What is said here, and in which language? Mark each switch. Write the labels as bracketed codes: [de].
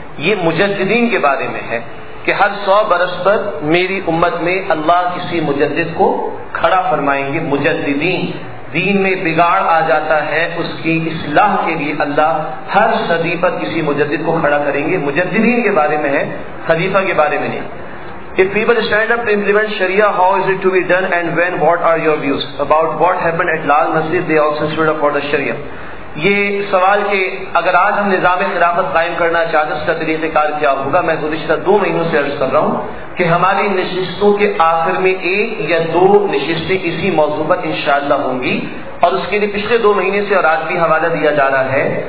[ur] یہ مجددین کے بارے میں ہے کہ ہر 100 برس پر میری امت میں اللہ کسی مجدد کو کھڑا فرمائیں گے. مجددین دین میں بگاڑ آ جاتا ہے اس کی اصلاح کے لیے اللہ ہر صدی پر کسی مجدد کو کھڑا کریں گے. مجددین کے بارے میں ہے خلیفہ کے بارے میں نہیں. [en] If people stand up to implement Sharia, how is it to be done and when, what are your views about what happened at Lal Masjid, they also stood up for the Sharia. [ur] یہ سوال کہ اگر آج ہم نظام خلافت قائم کرنا چاہتے ہیں اس کا طریقہ کار کیا ہوگا. میں گزشتہ 2 مہینوں سے عرض کر رہا ہوں کہ ہماری نشستوں کے آخر میں 1 یا 2 نشستیں اسی موضوع پر انشاءاللہ ہوں گی اور اس کے لیے پچھلے 2 مہینے سے اور آج بھی حوالہ دیا جا رہا ہے.